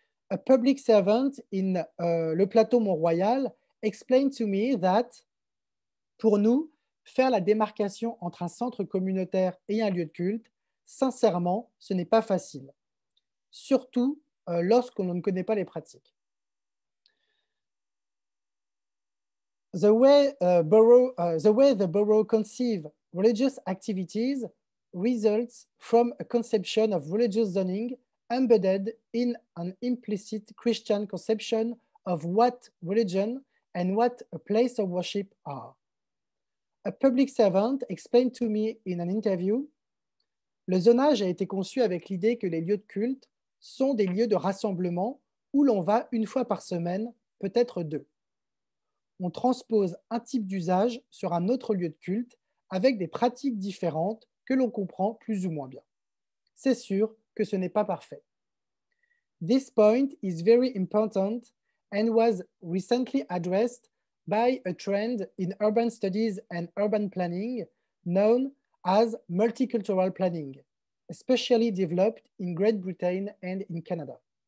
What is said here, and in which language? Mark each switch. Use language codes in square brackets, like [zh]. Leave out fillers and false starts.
[en] A public servant in Le Plateau Mont-Royal explained to me that, [fr] pour nous, faire la démarcation entre un centre communautaire et un lieu de culte, sincèrement, ce n'est pas facile, surtout lorsqu'on ne connaît pas les pratiques. [en] The way the borough conceives religious activities results from a conception of religious zoning embedded in an implicit Christian conception of what religion and what a place of worship are. A public servant explained to me in an interview, [fr] le zonage a été conçu avec l'idée que les lieux de culte sont des lieux de rassemblement où l'on va une fois par semaine, peut-être deux. On transpose un type d'usage sur un autre lieu de culte avec des pratiques différentes que l'on comprend plus ou moins bien. C'est sûr que ce n'est pas parfait. [en] This point is very important and was recently addressed by a trend in urban studies and urban planning known as multicultural planning, especially developed in Great Britain and in Canada.